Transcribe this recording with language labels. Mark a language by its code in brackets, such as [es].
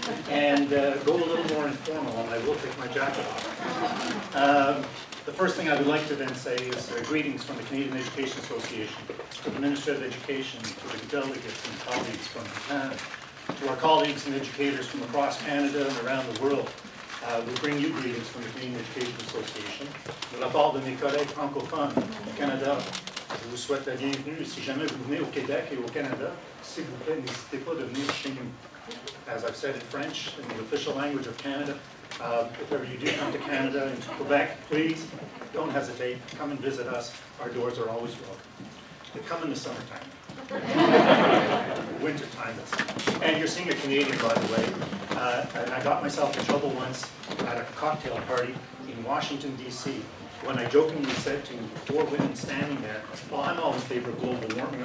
[en] And go a little more informal, and I will take my jacket off. The first thing I would like to then say is greetings from the Canadian Education Association, to the Minister of Education, to the delegates and colleagues from Canada, to our colleagues and educators from across Canada and around the world. We bring you greetings from the Canadian Education Association. [fr] Nous parlons de mes collègues francophones au Canada. Je vous souhaite la bienvenue. Si jamais vous venez au Québec et au Canada, s'il vous plaît, n'hésitez pas de venir chez nous. [en] As I've said in French, in the official language of Canada, if ever you do come to Canada and to Quebec, please don't hesitate. Come and visit us. Our doors are always welcome. They come in the summertime. Wintertime. And you're seeing a Canadian, by the way. And I got myself in trouble once at a cocktail party in Washington, D.C., when I jokingly said to four women standing there, well, I'm all in favor of global warming.